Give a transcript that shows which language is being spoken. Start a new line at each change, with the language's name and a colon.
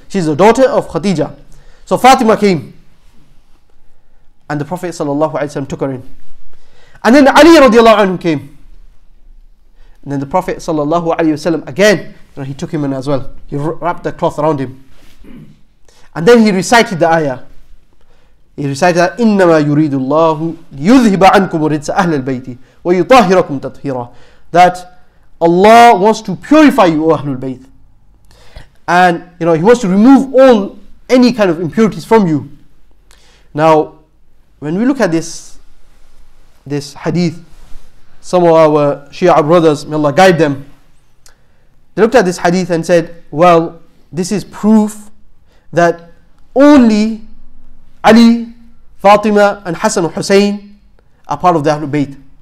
English: She's the daughter of Khadija. So Fatima came, and the Prophet sallallahu alaihi wasallam took her in, and then Ali radiallahu anhu came, and then the Prophet sallallahu alaihi wasallam again, and he took him in as well. He wrapped the cloth around him, and then he recited the ayah. He recited that
Arabic: إِنَّمَا يُرِيدُ اللَّهُ لِيُذْهِبَ عَنْكُمُ رِجْسَ أَهْلِ الْبَيْتِ وَيُطَاهِرَكُمْ تَطْهِيرًا.
English: That Allah wants to purify you, O Ahlul Bayt. And, you know, He wants to remove all, any kind of impurities from you. Now, when we look at this hadith, some of our Shia brothers, may Allah guide them, they looked at this hadith and said, well, this is proof that only Ali, Fatima, and Hassan and Hussein are part of the Ahlul Bayt.